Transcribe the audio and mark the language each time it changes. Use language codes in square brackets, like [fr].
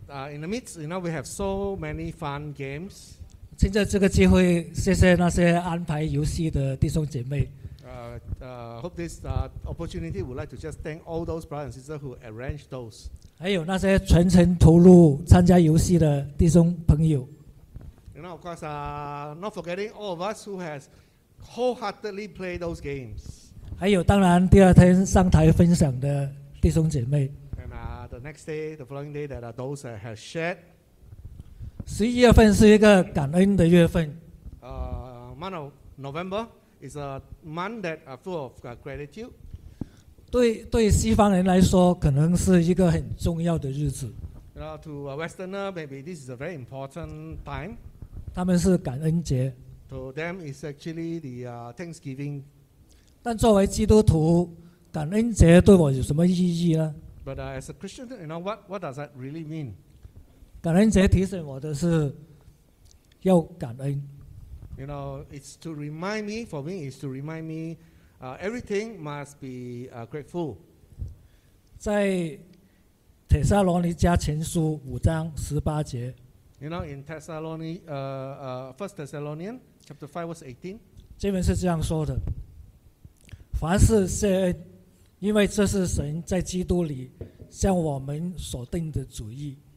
[en] In the midst, you know, we have so many fun games. [zh] 趁着这个机会，谢谢那些安排游戏的弟兄姐妹。 [en] Hope this opportunity would like to just thank all those brothers and sisters who arranged those. [zh] 还有那些全程投入参加游戏的弟兄朋友。 [en] You know, of course, not forgetting all of us who has wholeheartedly played those games. [zh] 还有当然第二天上台分享的弟兄姐妹。 [en] And the next day, the following day, that are those that have shared. [zh] 十一月份是一个感恩的月份。 [en] Month of November. It's a month that are full of gratitude. [zh] 对西方人来说，可能是一个很重要的日子。 [en] You know, to a Westerner, maybe this is a very important time. [zh] 他们是感恩节。 [en] To them, it's actually the Thanksgiving. [zh] 但作为基督徒，感恩节对我有什么意义呢 [en] ？But as a Christian, you know what does that really mean? [zh] 感恩节提醒我的是要感恩。 [en] You know, it's to remind me, for me, it's to remind me, everything must be grateful. [zh] 在帖撒罗尼迦前书五章十八节。 [en] You know, in First Thessalonians chapter 5 verse 18. [zh] 这边是这样说的：凡事谢恩，因为这是神在基督里向我们所定的旨意。